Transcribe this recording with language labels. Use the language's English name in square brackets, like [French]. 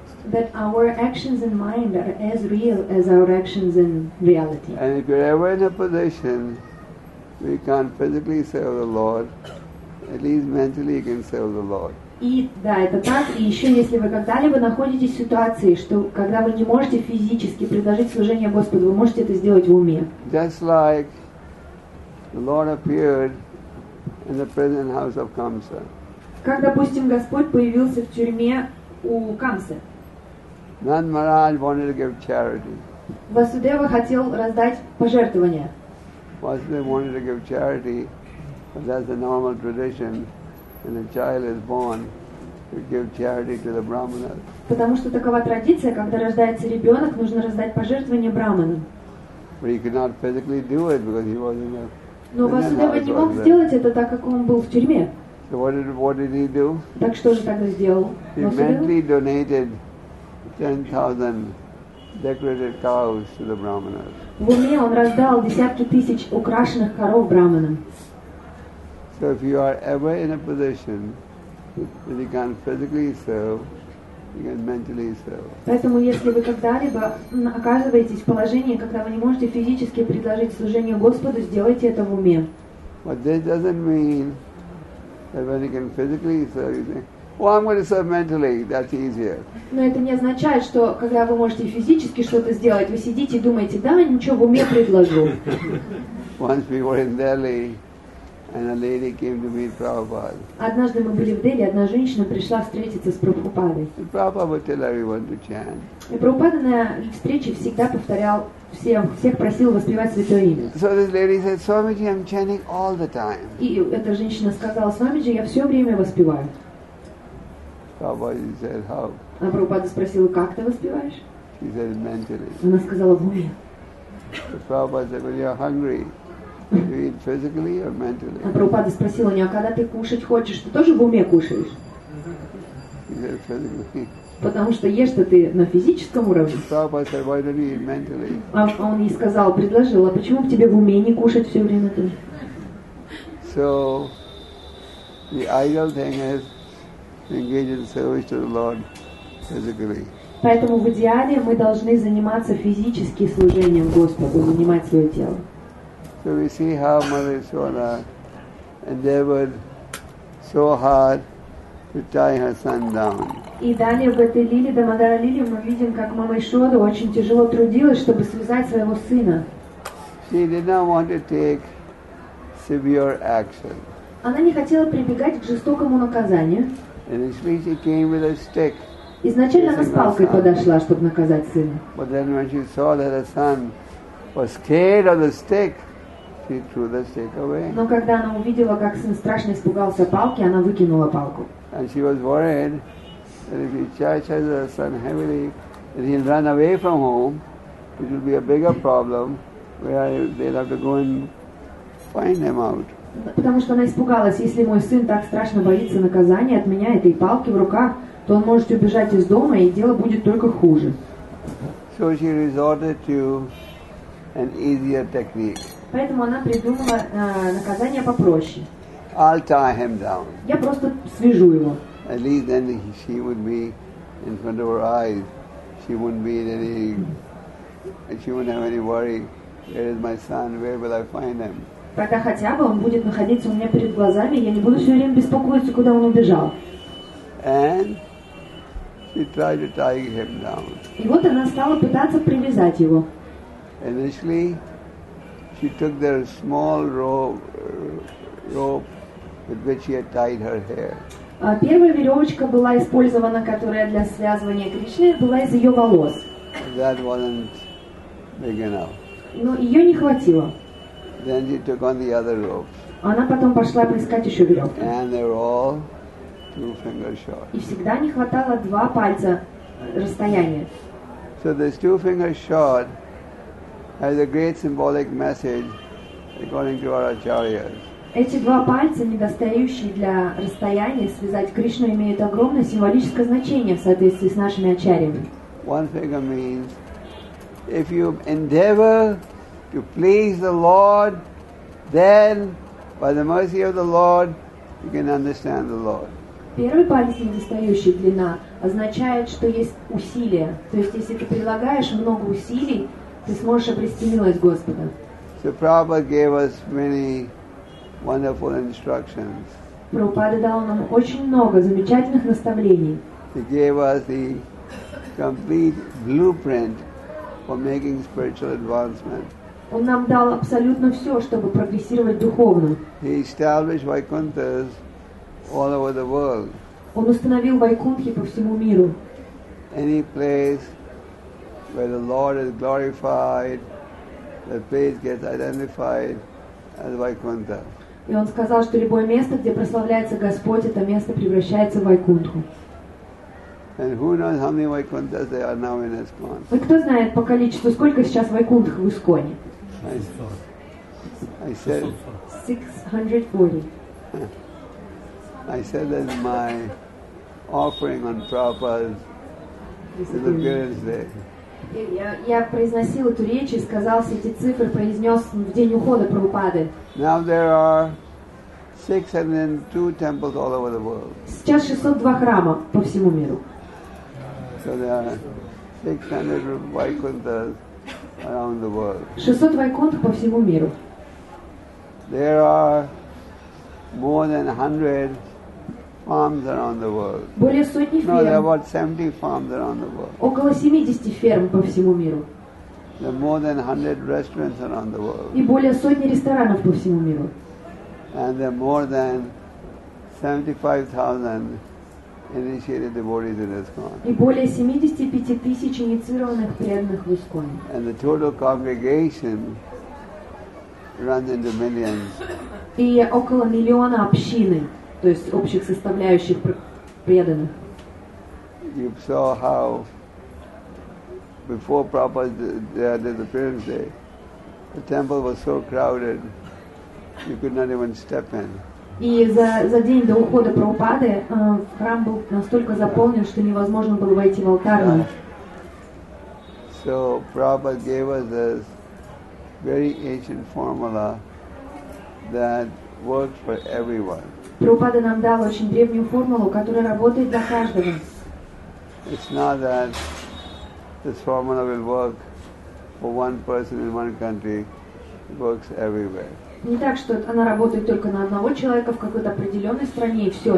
[English] That our actions in mind are as real as our actions in reality. And if you're ever in a position we can't physically serve the Lord, at least mentally you can serve the Lord. [Russian] И да, это так. И еще, если вы когда-либо находитесь в ситуации, что когда вы не можете физически предложить служение Господу, вы можете это сделать в уме. [English] Just like the Lord appeared in the prison house of Kamsa. [Russian] Как, допустим, Господь появился в тюрьме у Камсы. [English] Nand Maharaj wanted to give charity. [Russian] Vasudeva хотел раздать пожертвования. [English] Vasudeva wanted to give charity, but that's a normal tradition when a child is born to give charity to the brahmanas. [Russian] Потому что такова традиция, когда рождается ребенок, нужно раздать пожертвование брахманам. [English] But he could not physically do it because he was in a. [Russian] Но Vasudeva не мог сделать это, так как он был в тюрьме. [English] So what did he do? [Russian] Так что же тогда сделал? [English] He mentally donated 10,000 decorated cows to the brahmanas. [Russian] В уме он раздал десятки тысяч украшенных коров брахманам. [English] So if you are ever in a position that you can't physically serve, you can mentally serve. [Russian] Поэтому если вы когда-либо оказываетесь в положении, когда вы не можете физически предложить служение Господу, сделайте это в уме. [English] But this doesn't mean that when you can physically serve, you think, well, I'm going to serve mentally. That's easier. [Russian] Но это не означает, что когда вы можете физически что-то сделать, вы сидите и думаете, да, ничего, в уме предложу. [English] Once we were in Delhi, and a lady came to meet Prabhupada. [Russian] Однажды мы были в Дели, одна женщина пришла встретиться с Прабхупадой. [English] Prabhupada would tell everyone to chant. [Russian] И Прабхупада на их встрече всегда повторял всех просил воспевать святое имя. [English] So this lady said, Swamiji, I'm chanting all the time. [Russian] И эта женщина сказала, Свамиджи, я все время воспеваю. [English] Prabhupada said, how? [Russian] А Прабхупада спросила, как ты воспеваешь? [English] She said, mentally. [Russian] Она сказала, в уме. [English] So Prabhupada said, when you're hungry, do you eat physically or mentally? [Russian] А Прабхупада спросила у нее, а когда ты кушать хочешь, ты тоже в уме кушаешь? [English] She said, physically. [Russian] Потому что ешь-то ты на физическом уровне. [English] So Prabhupada said, why don't you eat mentally? [Russian] А он ей сказал, предложил, а почему бы тебе в уме не кушать все время ты? [English] So, the ideal thing is, engage in service to the Lord physically. [Russian] Поэтому в идеале мы должны заниматься физически служением Господу, занимать свое тело. [English] So we see how Mother Yashoda endeavored so hard to tie her son down. [Russian] И далее в этой лиле, Дамодара лиле, мы видим, как Мама Йашода очень тяжело трудилась, чтобы связать своего сына. [English] She did not want to take severe action. [Russian] Она не хотела прибегать к жестокому наказанию. [English] And she came with a stick. [Russian] Изначально она с палкой подошла, чтобы наказать сына. [English] But then when she saw that her son was scared of the stick, she threw the stick away. [Russian] Но когда она увидела, как сын страшно испугался палки, она выкинула палку. [English] And she was worried that if he charges her son heavily, that he'll run away from home, it will be a bigger problem. Where they'll have to go and find him out. [Russian] Потому что она испугалась, если мой сын так страшно боится наказания от меня, этой палки в руках, то он может убежать из дома, и дело будет только хуже. [English] So she resorted to an easier technique. [Russian] Поэтому она придумала наказание попроще. [English] I'll tie him down. [Russian] Я просто свяжу его. [English] At least then she would be in front of her eyes. She wouldn't be in any, she wouldn't have any worry. Where is my son? Where will I find him? [Russian] Тогда хотя бы он будет находиться у меня перед глазами, я не буду все время беспокоиться, куда он убежал. [English] And she tried to tie him down. [Russian] И вот она стала пытаться привязать его. [English] Initially, she took the small rope with which she had tied her hair. [Russian] Первая веревочка была использована, которая для связывания Кришны была из ее волос. [English] That wasn't big enough. [Russian] Но ее не хватило. [English] Then she took on the other ropes. [Russian] Она потом пошла поискать еще веревки. [English] And they were all two fingers short. [Russian] И всегда не хватало два пальца расстояния. [English] So this two fingers short has a great symbolic message according to our acharyas. [Russian] Эти два пальца, недостающие для расстояния связать Кришну, имеют огромное символическое значение в соответствии с нашими ачарьями. [English] One finger means if you endeavor to please the Lord, then by the mercy of the Lord, you can understand the Lord. [Russian] Первый палец, недостающий длина, означает, что есть усилия. То есть, если ты прилагаешь много усилий, ты сможешь обрести милость Господа. [English] So Prabhupada gave us many wonderful instructions. [Russian] Прабхупада дал нам очень много замечательных наставлений. [English] He gave us the complete blueprint for making spiritual advancement. [Russian] Он нам дал абсолютно все, чтобы прогрессировать духовно. [English] He established Vaikunthas all over the world. [Russian] Он установил Вайкунтхи по всему миру. [English] Any place where the Lord is glorified, the place gets identified as Vaikuntha. [Russian] И он сказал, что любое место, где прославляется Господь, это место превращается в Вайкунтху. [English] And who knows how many Vaikunthas there are now in ISKCON? [Russian] Вы кто знает по количеству, сколько сейчас Вайкунтх в ИСКОНе? [English] I said 640. I said that my offering on Prabhupada's appearance day. [Russian] Я произносил эту речь и сказал все эти цифры, произнес в день ухода Прабхупады. [English] Now there are 602 temples all over the world. [Russian] Сейчас 602 храма по всему миру. [English] So there are 600 Vaikunthas around the world. [Russian] 600 Vaikunth по всему миру. [English] There are more than 100 farms around the world. [Russian] Более сотни ферм. [English] No, there are about 70 farms around the world. [Russian] Около 70 ферм по всему миру. [English] There are more than 100 restaurants around the world. [Russian] И более сотни ресторанов по всему миру. [English] And there are more than 75,000 initiated devotees in ISKCON. [Russian] И более 75,000 инициированных преданных в ИСКОНе. [English] And the total congregation runs into millions. [Russian] И около миллиона общины, то есть общих составляющих преданных. [English] You saw how before Prabhupada did the appearance day, the temple was so crowded you could not even step in. [Russian] И за день до ухода Прабхупады храм был настолько заполнен, что невозможно было войти в алтарную. [English] So Prabhupada gave us this very ancient formula that works for everyone. [Russian] Прабхупада нам дал очень древнюю формулу, которая работает для каждого. [English] It's not that this formula will work for one person in one country, it works everywhere. [Russian] Не так, что она работает только на одного человека в какой-то определенной стране и все.